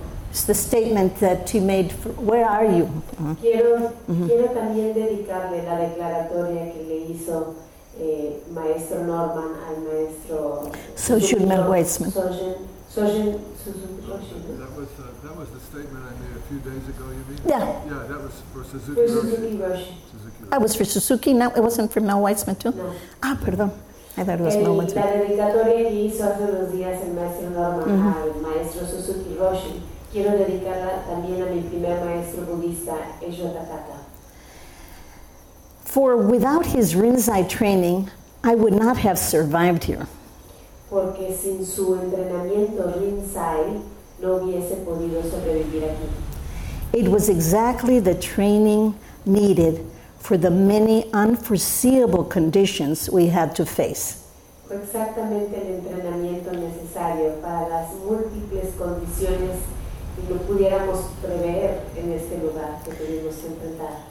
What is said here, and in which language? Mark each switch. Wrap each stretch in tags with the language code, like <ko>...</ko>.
<en>It's the statement that he made, where are you?</en> <es>Quiero también dedicarle la declaratoria que le hizo Maestro Norman al Maestro Sojourn Noel Weitzman.</es> <en>That was the statement I made a few days ago, you mean? Yeah. Yeah, that was for Suzuki Roshi. That was for Suzuki, no, it wasn't for Noel Weitzman too? No.</en> <es>Ah, perdón.</es> <en>I thought it was Noel Weitzman.</en> <es>La dedicatoria que hizo hace unos días el Maestro Norman mm-hmm. al Maestro Suzuki Roshi, quiero dedicarla también a mi primer maestro budista, Eijo Takata.</es> <en>For without his Rinzai training, I would not have survived here.</en> <es>Porque sin su entrenamiento Rinzai, no hubiese podido sobrevivir aquí.</es> <en>It was exactly the training needed for the many unforeseeable conditions we had to face.</en> <es>Exactamente el entrenamiento necesario para las múltiples condiciones que no pudiéramos prever en este lugar que tuvimos que enfrentar.</es>